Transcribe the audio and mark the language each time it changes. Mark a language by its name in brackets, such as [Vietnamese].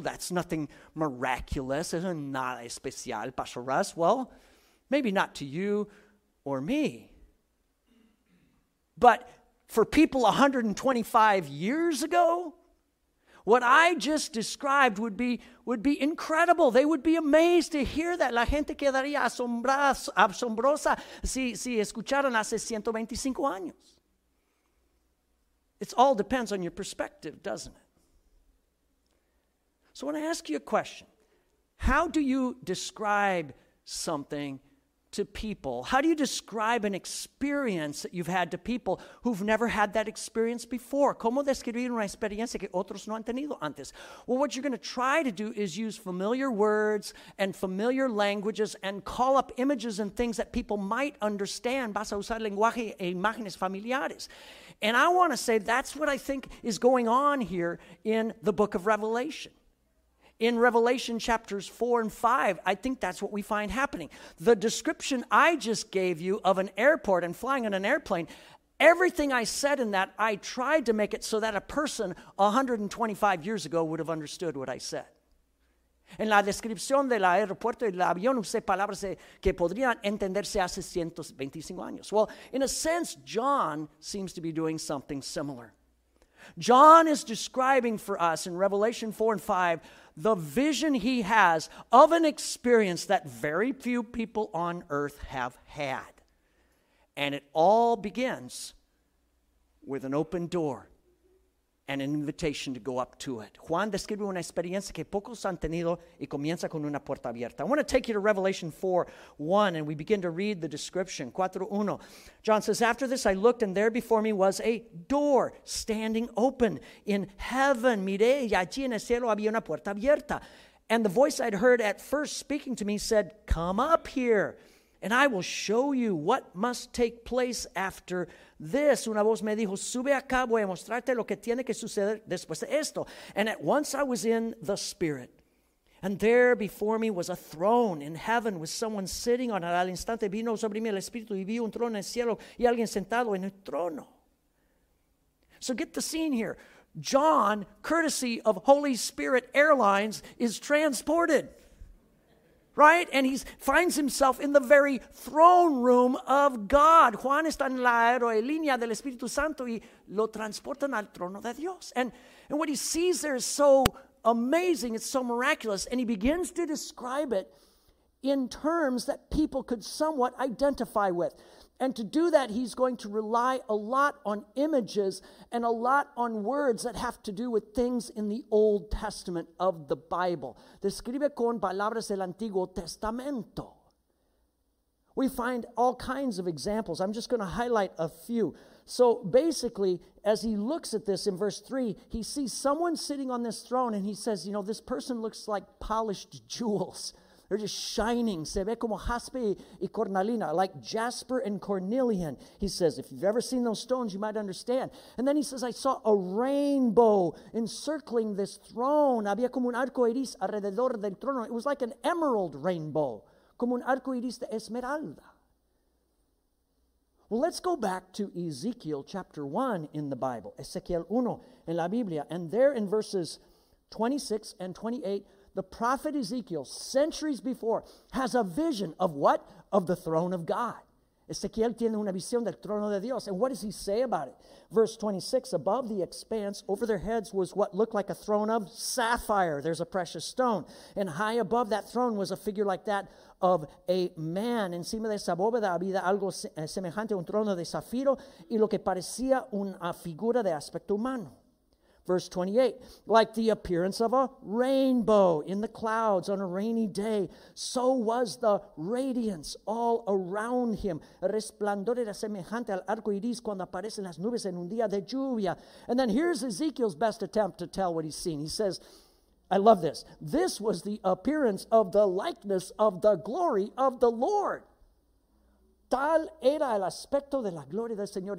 [English] That's nothing miraculous. [Spanish] Eso es nada especial, Pastor Russ. [English] Well, maybe not to you or me. But for people 125 years ago, what I just described would be incredible. They would be amazed to hear that. [Spanish] La gente quedaría asombrosa si escucharan hace 125 años. [English] It all depends on your perspective, doesn't it? So I want to ask you a question. How do you describe something to people? How do you describe an experience that you've had to people who've never had that experience before? [Spanish] ¿Cómo describir una experiencia que otros no han tenido antes? [English] Well, what you're going to try to do is use familiar words and familiar languages and call up images and things that people might understand. [Spanish] Vas a usar lenguaje e imágenes familiares. [English] And I want to say that's what I think is going on here in the book of Revelation. In Revelation chapters 4 and 5, I think that's what we find happening. The description I just gave you of an airport and flying on an airplane, everything I said in that, I tried to make it so that a person 125 years ago would have understood what I said. [Spanish] En la descripción del aeropuerto y del avión, usé palabras que podrían entenderse hace 125 años. [English] Well, in a sense, John seems to be doing something similar. John is describing for us in Revelation 4 and 5 the vision he has of an experience that very few people on earth have had. And it all begins with an open door and an invitation to go up to it. [Spanish] Juan describe una experiencia que pocos han tenido y comienza con una puerta abierta. [English] I want to take you to Revelation 4:1, and we begin to read the description. 4:1, John says, "After this I looked, and there before me was a door standing open in heaven. [Spanish] Miré, y allí en el cielo había una puerta abierta. [English] And the voice I'd heard at first speaking to me said, 'Come up here, and I will show you what must take place after this.' [Spanish] Una voz me dijo, 'Sube acá, voy a mostrarte lo que tiene que suceder después de esto.' [English] And at once I was in the spirit. And there before me was a throne in heaven with someone sitting on it. [Spanish] Al instante vino sobre mí el espíritu y vi un trono en el cielo y alguien sentado en el trono." [English] So get the scene here. John, courtesy of Holy Spirit Airlines, is transported. Right? And he finds himself in the very throne room of God. [Spanish] Juan está en la aerolínea del Espíritu Santo y lo transportan al trono de Dios. [English] And what he sees there is so amazing, it's so miraculous, and he begins to describe it in terms that people could somewhat identify with. And to do that, he's going to rely a lot on images and a lot on words that have to do with things in the Old Testament of the Bible. [Spanish] Describe con palabras del Antiguo Testamento. [English] We find all kinds of examples. I'm just going to highlight a few. So basically, as he looks at this in verse 3, he sees someone sitting on this throne, and he says, you know, this person looks like polished jewels. They're just shining. [Spanish] Se ve como jaspe y cornalina, [English] like jasper and cornelian. He says, if you've ever seen those stones, you might understand. And then he says, I saw a rainbow encircling this throne. [Spanish] Había como un arco iris alrededor del trono. [English] It was like an emerald rainbow. [Spanish] Como un arco iris de esmeralda. [English] Well, let's go back to Ezekiel chapter 1 in the Bible. Ezekiel 1 [Spanish] en la Biblia. [English] And there in verses 26 and 28, the prophet Ezekiel, centuries before, has a vision of what? Of the throne of God. [Spanish] Ezekiel tiene una visión del trono de Dios. [English] And what does he say about it? Verse 26, above the expanse, over their heads was what looked like a throne of sapphire. There's a precious stone. And high above that throne was a figure like that of a man. [Spanish] Encima de esa bóveda había algo semejante a un trono de zafiro y lo que parecía una figura de aspecto humano. [English] Verse 28, like the appearance of a rainbow in the clouds on a rainy day, so was the radiance all around him. [Spanish] El resplandor era semejante al arco iris cuando aparecen las nubes en un día de lluvia. [English] And then here's Ezekiel's best attempt to tell what he's seen. He says, I love this. This was the appearance of the likeness of the glory of the Lord. [Spanish] Tal era el aspecto de la gloria del Señor.